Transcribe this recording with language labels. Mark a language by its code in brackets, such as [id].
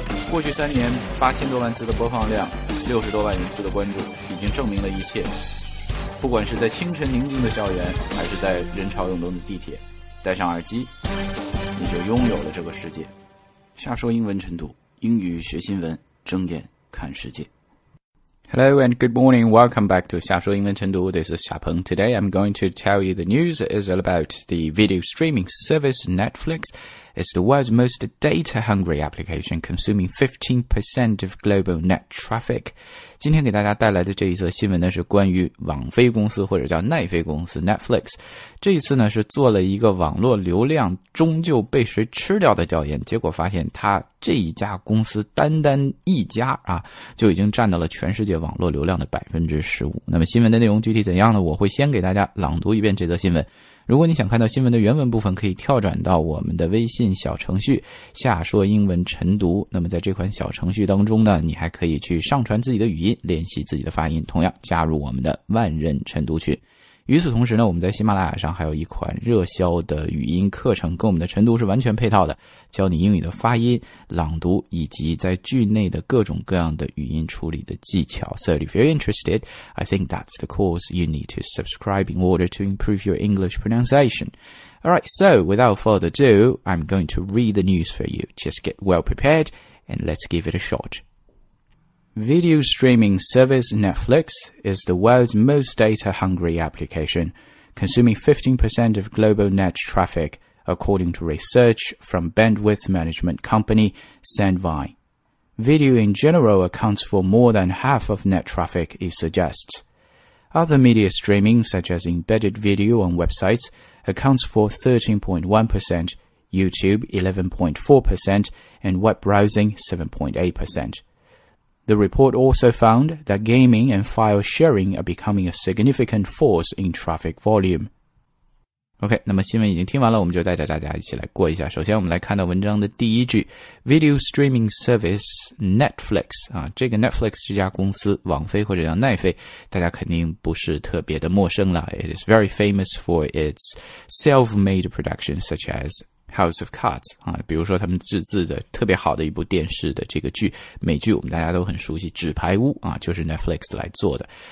[zh] 过去三年，8000多万次的播放量，60多万人次的关注，已经证明了一切。不管是在清晨宁静的校园，还是在人潮涌动的地铁，戴上耳机，你就拥有了这个世界。下说英文晨读，英语学新闻，睁眼看世界。 [en] Hello and good morning. Welcome back to 夏说英文晨读 This is 夏鹏 Today I'm going to tell you the news is all about the video streaming service Netflix. It's the world's most data-hungry application, consuming 15% of global net traffic. [zh] 今天给大家带来的这一则新闻呢是关于网飞公司或者叫奈飞公司 Netflix. 这一次呢是做了一个网络流量终究被谁吃掉的调研，结果发现它这一家公司单单一家啊，就已经占到了全世界网络流量的 15%。那么新闻的内容具体怎样呢，我会先给大家朗读一遍这则新闻。如果你想看到新闻的原文部分，可以跳转到我们的微信小程序夏说英文晨读，那么在这款小程序当中呢，你还可以去上传自己的语音，练习自己的发音，同样加入我们的万人晨读群。与此同时呢，我们在喜马拉雅上还有一款热销的语音课程，跟我们的晨读是完全配套的，教你英语的发音、朗读以及在句内的各种各样的语音处理的技巧。 [en] So if you're interested, I think that's the course you need to subscribe in order to improve your English pronunciation. Alright, so without further ado, I'm going to read the news for you. Just get well prepared and let's give it a shot. Video streaming service Netflix is the world's most data-hungry application, consuming 15% of global net traffic, according to research from bandwidth management company Sandvine. Video in general accounts for more than half of net traffic, it suggests. Other media streaming, such as embedded video on websites, accounts for 13.1%, YouTube 11.4%, and web browsing 7.8%. The report also found that gaming and file sharing are becoming a significant force in traffic volume. [zh] OK, 那么新闻已经听完了，我们就带着大家一起来过一下。首先我们来看到文章的第一句 , [en] video streaming service Netflix, [zh] 啊，这个 Netflix 这家公司网飞或者叫奈飞大家肯定不是特别的陌生了。 [en] It is very famous for its self-made productions such as House of Cards, [zh] 啊，比如说他们自制的特别好的一部电视的这个剧，美剧我们大家都很熟悉，纸牌屋啊，就是 Netflix 来做的。